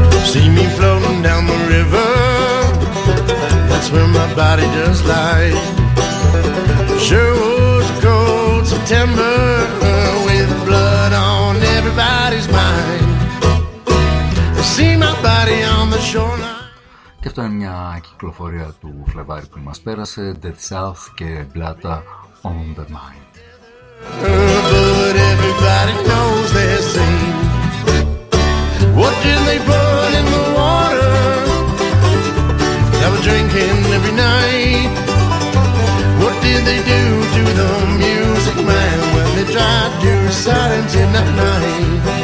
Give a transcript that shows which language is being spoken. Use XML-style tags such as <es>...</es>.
<en>see me floating down the river. That's where my body just lies. Sure was a cold September with blood on everybody's mind. See my body on the shoreline.</en> <el>Και αυτό είναι μια κυκλοφορία του Φλεβάρι που μας πέρασε, Dead South και Blatta on the Mind.</el> <en>But everybody knows their scene. What did they put in the water? They were drinking every night. What did they do to the music man when they tried to silence him at night?</en>